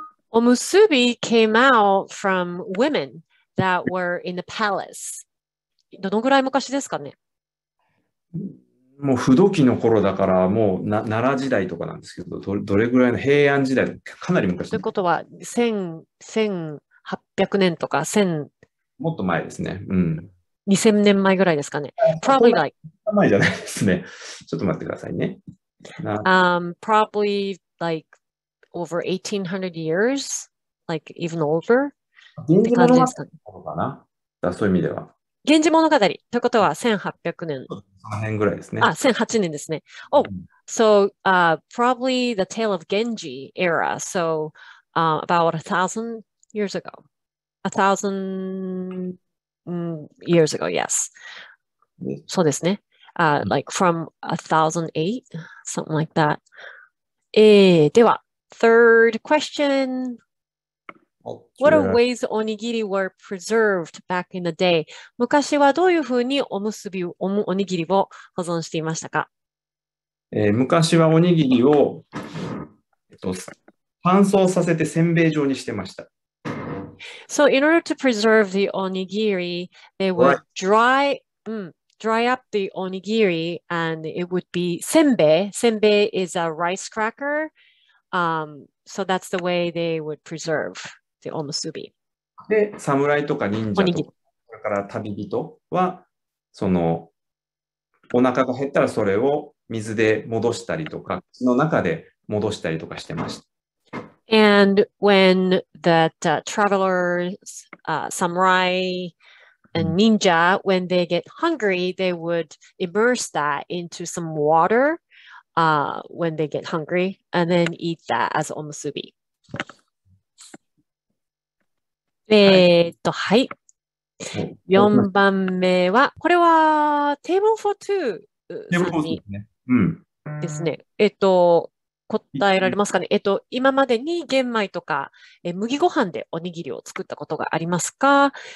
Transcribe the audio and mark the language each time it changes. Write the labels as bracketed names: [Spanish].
[English] おむすび came out from women that were in the palace. [Japanese] どのぐらい昔ですかね？もう不動期の頃だから、もう奈良時代とかなんですけど、どれぐらいの平安時代、かなり昔。ということは、1800年とか、もっと前ですね。うん。2000年前ぐらいですかね。 [English] Probably like。 [Japanese] 前じゃないですね。ちょっと待ってくださいね。 [English] Probably like over 1800 years, like even over. [Japanese] って感じですかね。そういう意味では。源氏物語ということは1800年。その辺ぐらいですね。あ、1008年ですね。 [English] Oh, so, probably the Tale of Genji era. So, about 1000 years ago. 1000 years ago, yes. [Japanese] そうですね。 [English] Like from 1008, something like that. では、third question. What are ways onigiri were preserved back in the day? [Japanese] 昔はどういうふうにおむすび、おにぎりを保存していましたか？昔はおにぎりを、乾燥させてせんべい状にしてました。 [English] So in order to preserve the onigiri, they would dry up the onigiri and it would be senbei. Senbei is a rice cracker. So that's the way they would preserve. おむすび。 [Japanese] で、侍とか忍者とか、それから旅人は、その、お腹が減ったらそれを水で戻したりとか、口の中で戻したりとかしてました。 [English] And when that travelers, samurai and ninja, when they get hungry, they would immerse that into some water, when they get hungry, and then eat that as おむすび。 [Japanese] はい。 4番目は、これは、テーブルフォートゥーさんにですね。答えられますかね。今までに玄米とか、麦ご飯でおにぎりを作ったことがありますか？